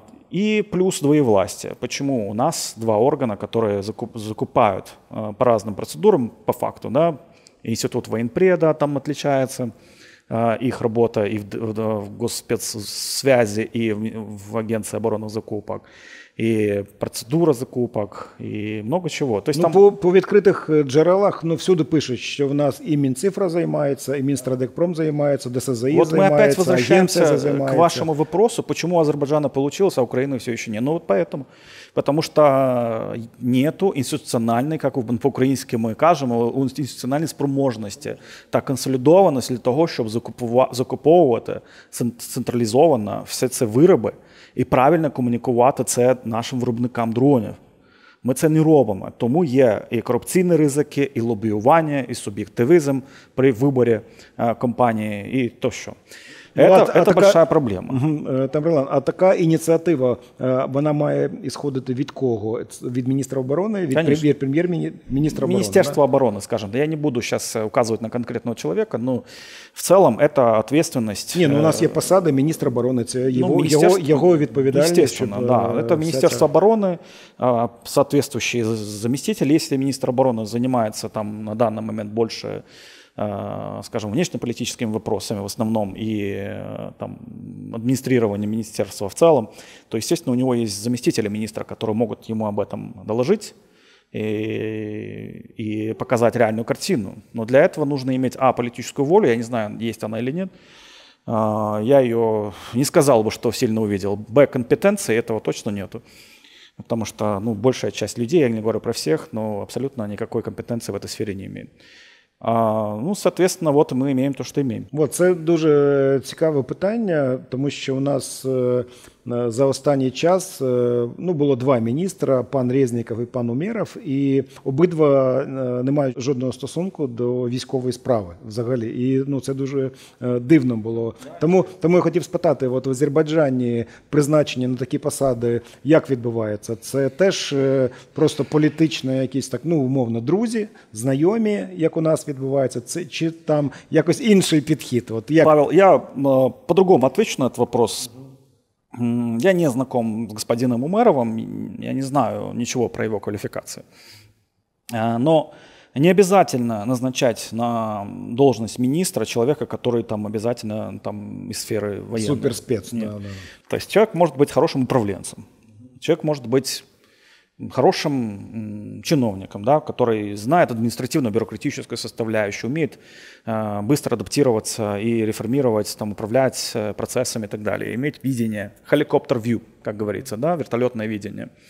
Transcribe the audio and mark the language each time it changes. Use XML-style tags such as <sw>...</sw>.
<ru>И плюс двоевластие. Почему у нас два органа, которые закупают по разным процедурам, по факту, да, институт военпреда там отличается, их работа и в госспецсвязи, и в агенции оборонных закупок, и процедура закупок, и много чего. То есть там...</ru> <uk>по відкритих джерелах, всюди пишуть, що в нас і Мінцифра займається, і Мінстрадекпром займається, ДСЗІ займається, агенція займається.</uk> <ru>Вот мы опять возвращаемся к вашему вопросу, почему у Азербайджана получилось, а Украины все еще нет. Ну вот поэтому. Потому что нету институциональной,</ru> <uk>как по-украински мы кажем, институциональной спроможности, та консолидованность для того, чтобы закуповувати централізовано все це вироби, і правильно комунікувати це нашим виробникам дронів. Ми це не робимо. Тому є і корупційні ризики, і лобіювання, і суб'єктивізм при виборі компанії, і тощо. Це велика проблема. Тамерлан, а така ініціатива, вона має ісходити від кого? Від міністра оборони? Від прем'єр-міністра оборони? Міністерство оборони, скажімо. Я не буду зараз указувати на конкретного чоловіка, але в цілому це відповідальність. Ні, у нас є посади міністра оборони, це його відповідальність. Звісно, так. Це міністерство оборони, відповідальний заместитель. Якщо міністр оборони займається там на даний момент більше, скажем,</uk> <ru>внешнеполитическими вопросами в основном и там, администрированием министерства в целом, то, естественно, у него есть заместители министра, которые могут ему об этом доложить и показать реальную картину. Но для этого нужно иметь, политическую волю, я не знаю, есть она или нет, я ее не сказал бы, что сильно увидел, компетенции этого точно нету. Потому что большая часть людей, я не говорю про всех, но абсолютно никакой компетенции в этой сфере не имеет.</ru> <uk>Соответственно, вот ми маємо те, що маємо. Вот це дуже цікаве питання, тому що у нас за останній час було два міністра, пан Резніков і пан Умєров, і обидва не мають жодного стосунку до військової справи взагалі. І це дуже дивно було. Тому я хотів спитати, от в Азербайджані призначення на такі посади, як відбувається? Це теж просто політично якісь так, умовно, друзі, знайомі, як у нас відбувається, чи там якось інший підхід? От як... Павел, я по-другому відповідаю на цей вопрос.</uk> <ru>Я не знаком с господином Умеровым, я не знаю ничего про его квалификации. Но не обязательно назначать на должность министра человека, который там обязательно там из сферы военной. Суперспец, да. То есть человек может быть хорошим управленцем, человек может быть хорошим чиновником, да, который знает административную бюрократическую составляющую, умеет быстро адаптироваться и реформировать, там, управлять процессами и так далее, иметь видение,</ru> <en>helicopter view,</en> <ru>как говорится, да, вертолетное видение.</ru>